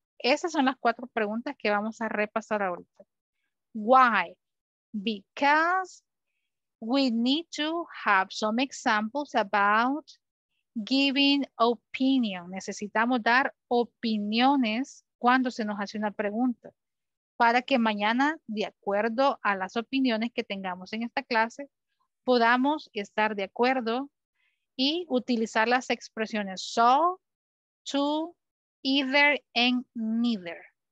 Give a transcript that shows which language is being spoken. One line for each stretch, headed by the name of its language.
Spanish: Esas son las cuatro preguntas que vamos a repasar ahorita.
English: Why? Because we need to have some examples about giving opinion.
Spanish: Necesitamos dar opiniones cuando se nos hace una pregunta. Para que mañana, de acuerdo a las opiniones que tengamos en esta clase, podamos estar de acuerdo y utilizar las expresiones so, to, either, and neither.